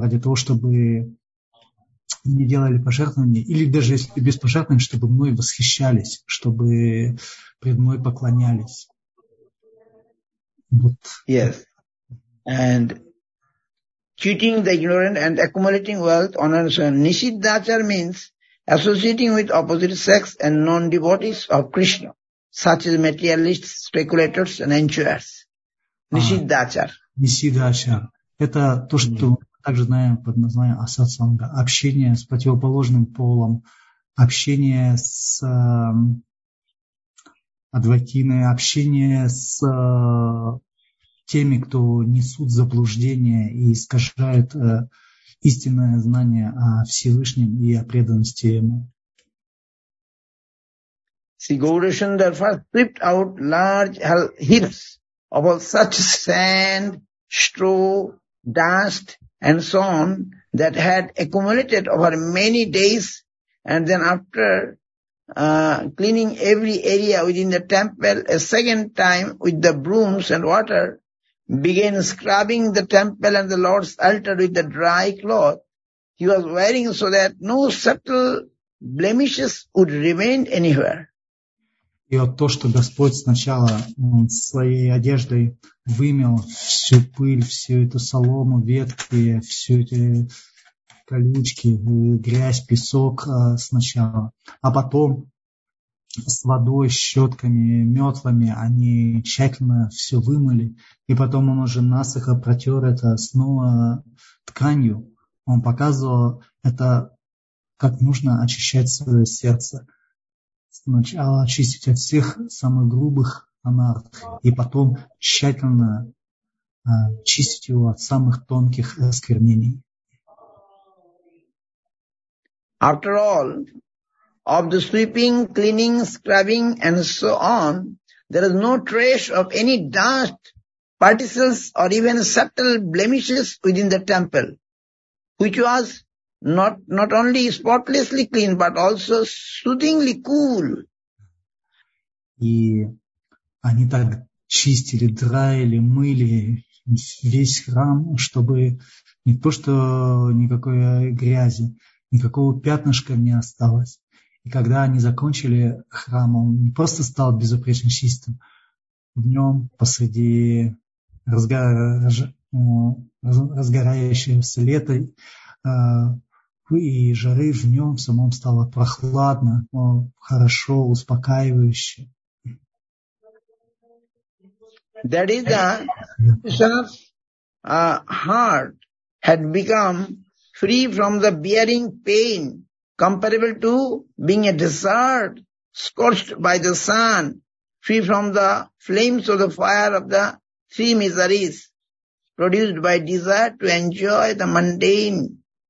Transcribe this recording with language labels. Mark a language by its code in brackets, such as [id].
[ru] Ради того, чтобы не делали пожертвования, или даже если без пожертвований, чтобы мной восхищались, чтобы пред мной поклонялись. Вот. [en] Yes. And cheating the ignorant and accumulating wealth on and so on. Nishidhachar means associating with opposite sex and non-devotees of Krishna, such as materialists, speculators and enjoyers. Nishidhachar. Nishidhachar. [ru] Это то, что мы также знаем под названием асатсанга. Общение с противоположным полом, общение с адвайтиной, общение с теми, кто несут заблуждение и искажают истинное знание о Всевышнем и о преданности Ему. [en] See, Gaurishan therefore stripped out large heaps of all such sand, straw, dust and so on that had accumulated over many days and then after cleaning every area within the temple a second time with the brooms and water, began scrubbing the temple and the Lord's altar with the dry cloth he was wearing so that no subtle blemishes would remain anywhere. [ru] И вот то, что Господь сначала своей одеждой вымел всю пыль, всю эту солому, ветки, всю эти колючки, грязь, песок сначала, а потом с водой, щетками, метлами они тщательно все вымыли, и потом он уже насухо протер это снова тканью. Он показывал это, как нужно очищать свое сердце. Сначала очистить от всех самых грубых анарт, и потом тщательно чистить его от самых тонких осквернений. [en] After all, of the sweeping, cleaning, scrubbing, and so on, there is no trace of any dust, particles, or even subtle blemishes within the temple, which was not only spotlessly clean, but also soothingly cool. [ru] И они так чистили, драили, мыли весь храм, чтобы не то, что никакой грязи, никакого пятнышка не осталось. И когда они закончили храм, он не просто стал безупречно чистым. В нем посреди разгорающегося лета и жары, в нем самом стало прохладно, хорошо, успокаивающе. [en] That is that heart had become free from the bearing pain comparable to being a desert scorched by the sun, free from the flames of the fire of the three miseries produced by desire to enjoy the mundane.